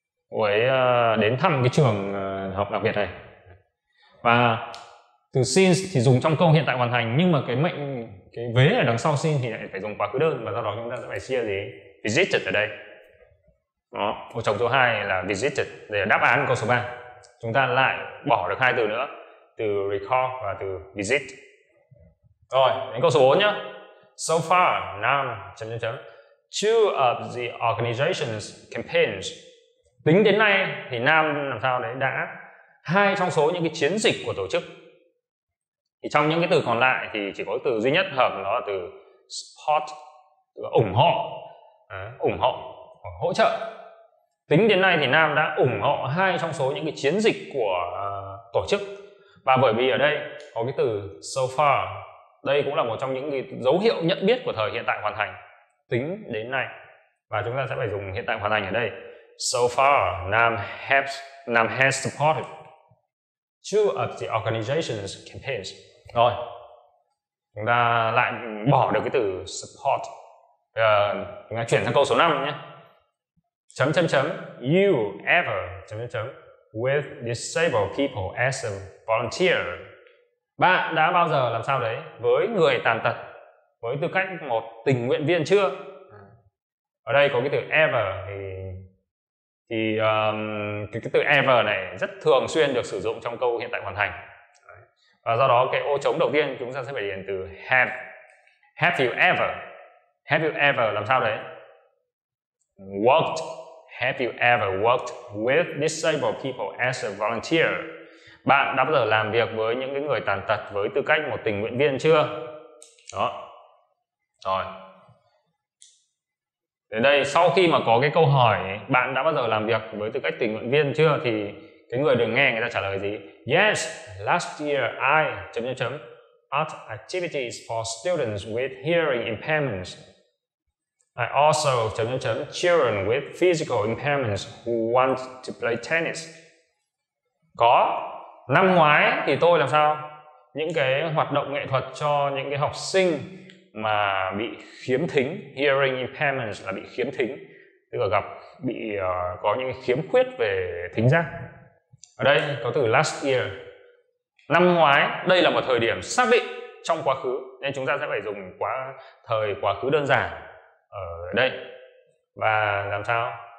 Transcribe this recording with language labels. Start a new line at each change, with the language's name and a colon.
Vietnamese: Cô ấy đến thăm cái trường học đặc biệt này. Và từ since thì dùng trong câu hiện tại hoàn thành, nhưng mà cái vế ở đằng sau since thì lại phải dùng quá khứ đơn, và do đó chúng ta sẽ phải chia gì? Visited ở đây. Đó, ô trống số 2 là visited. Để đáp án câu số 3, chúng ta lại bỏ được hai từ nữa, từ recall và từ visit. Rồi, đến câu số 4 nhá.
English: So far, now, two of the organization's campaigns.
Vietnamese: Tính đến nay thì Nam làm sao đấy, đã hai trong số những cái chiến dịch của tổ chức. Thì trong những cái từ còn lại thì chỉ có từ duy nhất hợp, đó là từ support, từ ủng hộ, ủng hộ, hỗ trợ. Tính đến nay thì Nam đã ủng hộ hai trong số những cái chiến dịch của tổ chức. Và bởi vì ở đây có cái từ so far, đây cũng là một trong những dấu hiệu nhận biết của thời hiện tại hoàn thành, tính đến nay. Và chúng ta sẽ phải dùng hiện tại hoàn thành ở đây.
English: So far, Nam has supported two of the organization's campaigns.
Vietnamese: Rồi, chúng ta lại bỏ được cái từ support. Chúng ta chuyển sang câu số 5 nhé. Chấm chấm chấm,
English: you ever chấm chấm chấm with disabled people as a volunteer.
Vietnamese: Bạn đã bao giờ làm sao đấy với người tàn tật với tư cách một tình nguyện viên chưa? Ở đây có cái từ ever thì cái từ ever này rất thường xuyên được sử dụng trong câu hiện tại hoàn thành. Và do đó cái ô trống đầu tiên chúng ta sẽ phải điền từ have.
English: Have you ever
Vietnamese: làm sao đấy?
English: Worked. Have you ever worked with disabled people as a volunteer?
Vietnamese: Bạn đã bao giờ làm việc với những người tàn tật với tư cách một tình nguyện viên chưa? Đó. Rồi. Đến đây, sau khi mà có cái câu hỏi bạn đã bao giờ làm việc với tư cách tình nguyện viên chưa, thì cái người được nghe người ta trả lời gì?
English: Yes, last year I... art activities for students with hearing impairments. I also... children with physical impairments who want to play tennis.
Vietnamese: Có. Năm ngoái thì tôi làm sao? Những cái hoạt động nghệ thuật cho những cái học sinh mà bị khiếm thính,
English: hearing impairments
Vietnamese: là bị khiếm thính, tức là có những khiếm khuyết về thính giác. Ở đây có từ last year. Năm ngoái, đây là một thời điểm xác định trong quá khứ, nên chúng ta sẽ phải dùng thời quá khứ đơn giản ở đây. Và làm sao?